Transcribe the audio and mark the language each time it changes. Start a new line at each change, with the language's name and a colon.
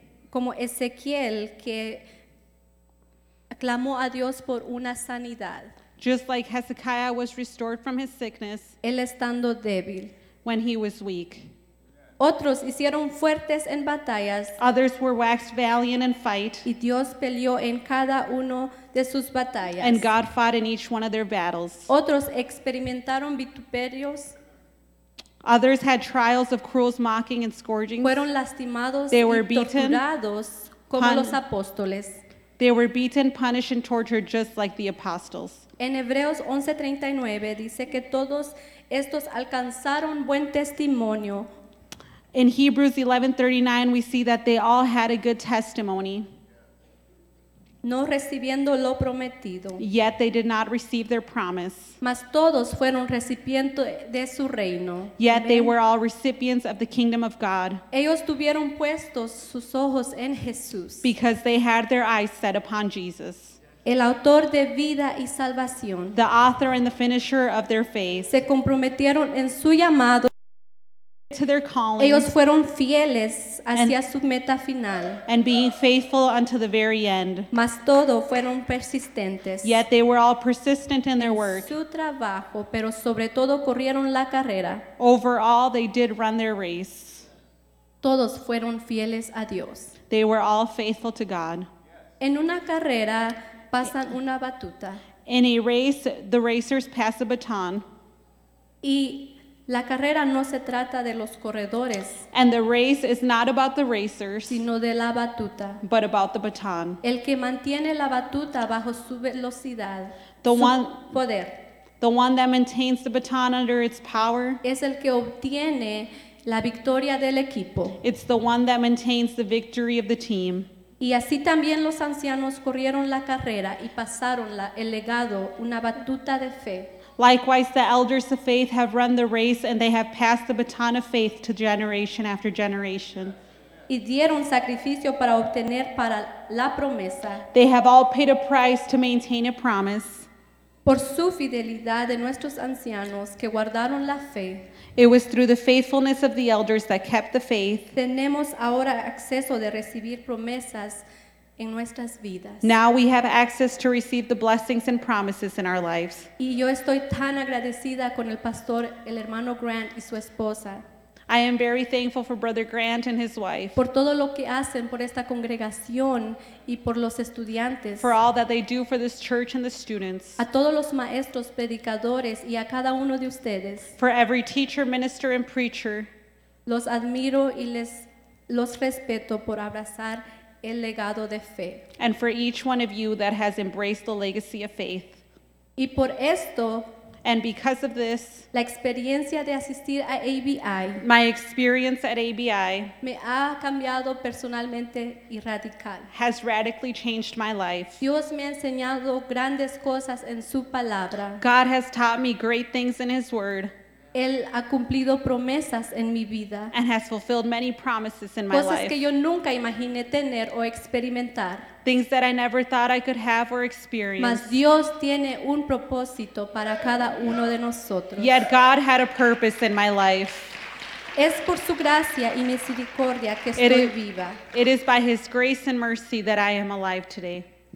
Spanish: Como Ezequiel que clamó a Dios por una sanidad.
English: Just like Hezekiah was restored from his sickness.
Spanish: Él estando débil.
English: When he was weak.
Spanish: Otros hicieron fuertes en batallas.
English: Others were waxed valiant in fight.
Spanish: Y Dios peleó en cada uno de sus batallas.
English: And God fought in each one of their battles.
Spanish: Otros experimentaron vituperios.
English: Others had trials of cruel mocking and scourging.
Spanish: Fueron lastimados
English: they
Spanish: y
English: were beaten,
Spanish: torturados como los apóstoles.
English: They were beaten, punished, and tortured just like the apostles.
Spanish: En Hebreos 11:39 dice que todos estos alcanzaron buen testimonio.
English: In Hebrews 11:39, we see that they all had a good testimony.
Spanish: No recibiendo lo prometido.
English: Yet they did not receive their promise.
Spanish: Mas todos fueron recipientes de su reino.
English: Yet Amen. They were all recipients of the kingdom of God.
Spanish: Ellos tuvieron puestos sus ojos en Jesús.
English: Because they had their eyes set upon Jesus.
Spanish: El autor de vida y salvación.
English: The author and the finisher of their faith.
Spanish: Se comprometieron en su llamado.
English: To their calling.
Spanish: Ellos fueron fieles hacia su meta final.
English: And being faithful unto the very end.
Spanish: Mas todo fueron persistentes.
English: Yet they were all persistent in their work.
Spanish: En su trabajo, pero sobre todo corrieron la carrera.
English: Overall, they did run their race.
Spanish: Todos fueron fieles a Dios.
English: They were all faithful to God.
Spanish: En una carrera pasan una batuta.
English: In a race, the racers pass a baton.
Spanish: Y la carrera no se trata de los corredores.
English: And the race is not about the racers.
Spanish: Sino de la batuta.
English: But about the baton.
Spanish: El que mantiene la batuta bajo su velocidad.
English: The
Spanish: su
English: one,
Spanish: poder.
English: The one that maintains the baton under its power.
Spanish: Es el que obtiene la victoria del equipo.
English: It's the one that maintains the victory of the team.
Spanish: Y así también los ancianos corrieron la carrera y pasaron el legado, una batuta de fe.
English: Likewise, the elders of faith have run the race and they have passed the baton of faith to generation after generation.
Spanish: Y dieron sacrificio para obtener para la promesa.
English: They have all paid a price to maintain a promise.
Spanish: Por su fidelidad de nuestros ancianos que guardaron la fe.
English: It was through the faithfulness of the elders that kept the faith.
Spanish: Tenemos ahora acceso de recibir promesas en nuestras vidas.
English: Now we have access to receive the blessings and promises in our lives.
Spanish: Y yo estoy tan agradecida con el pastor, el hermano Grant y su esposa.
English: I am very thankful for Brother Grant and his wife.
Spanish: Por todo lo que hacen por esta congregación y por los estudiantes.
English: For all that they do for this church and the students.
Spanish: A todos los maestros, predicadores y a cada uno de ustedes.
English: For every teacher, minister and preacher.
Spanish: Los admiro y los respeto por abrazar el legado de fe.
English: And for each one of you that has embraced the legacy of faith.
Spanish: Y por esto.
English: And because of this,
Spanish: la experiencia de asistir a ABI,
English: my experience at ABI,
Spanish: me ha cambiado personalmente y radical.
English: Has radically changed my life.
Spanish: Dios me ha enseñado grandes cosas en su palabra.
English: God has taught me great things in his word.
Spanish: Él ha cumplido promesas en mi vida.
English: And has fulfilled many promises in my
Spanish: cosas
English: life.
Spanish: Cosas que yo nunca imaginé tener o experimentar.
English: Things that I never thought I could have or experience.
Spanish: Mas Dios tiene un propósito para cada uno de nosotros.
English: Yet God had a purpose in my life.
Spanish: Es por su gracia y misericordia que estoy viva.
English: It is by his grace and mercy that I am alive today.